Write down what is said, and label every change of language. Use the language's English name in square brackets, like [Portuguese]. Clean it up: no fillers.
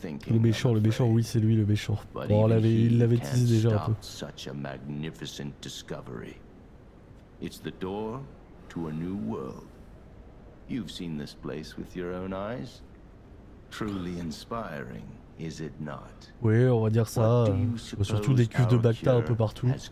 [French] Le méchant, oui, c'est lui le méchant. Bon, il l'avait teasé déjà un peu. [English] Such a magnificent discovery. It's the door to a new world. You've seen this place with your own eyes. Truly inspiring. Is it not? [French] Oui, on va dire ça. Surtout des cuves de Bacta un peu partout.